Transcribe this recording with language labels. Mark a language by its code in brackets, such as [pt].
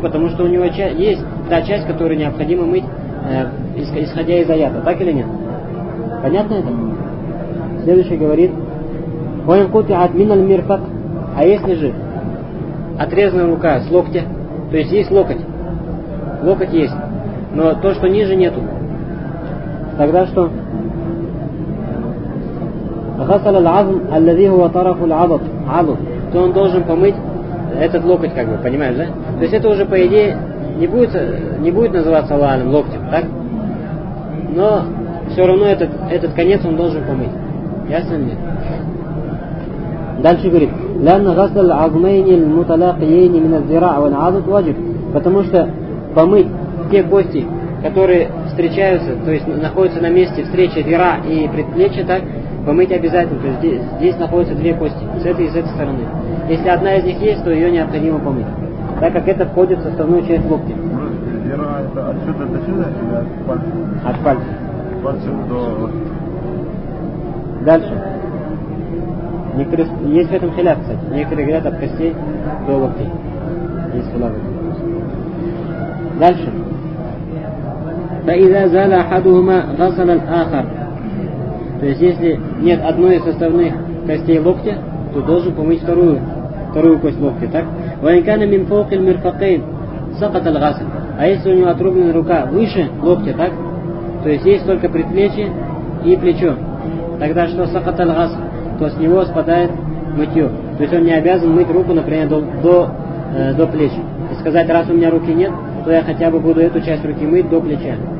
[ru] Потому что у него есть та часть, которую необходимо мыть, исходя из аята, так или нет? Понятно это? Следующий говорит, [ar] ваин кутиат мин аль-мирфак. [ru] А если же отрезанная рука с локтя, то есть есть локоть есть, но то, что ниже, нету, тогда что? [ar] غسل العظم الذي هو طرف العضد. [ru] То он должен помыть этот локоть, как бы, понимаешь, да? То есть это уже, по идее, не будет называться лааном, локтем, так? Но все равно этот конец он должен помыть. Ясно ли? Дальше говорит, [ar] لأن غسل العظمين المتلاقيين من الذراع والعضد واجب. [ru] Потому что помыть те кости, которые встречаются, то есть находятся на месте встречи двера и предплечья, так, помыть обязательно. То есть здесь находятся две кости, с этой и с этой стороны. Если одна из них есть, то ее необходимо помыть, так как это входит в составную часть локтя. Двера это отсюда до сюда или от пальца? От пальца. Пальца до... Дальше. Некоторые... Есть в этом хиляф, кстати. Некоторые говорят от костей до локтей. Есть хиляф. Дальше. [ar] فإذا زال أحدهما غسل الآخر. [ru] То есть если нет одной из составных костей локтя, то должен помыть вторую кость локтя, так? [ar] وإن كان من فوق المرفقين سقط الغسل. [ru] А если у него отрублена рука выше локтя, так? То есть есть только предплечье и плечо. Тогда что [ar] сقط الغسل? [ru] То с него спадает мытье. То есть он не обязан мыть руку, например, до плеч. И сказать, раз у меня руки нет, то я хотя бы буду эту часть руки мыть до плеча.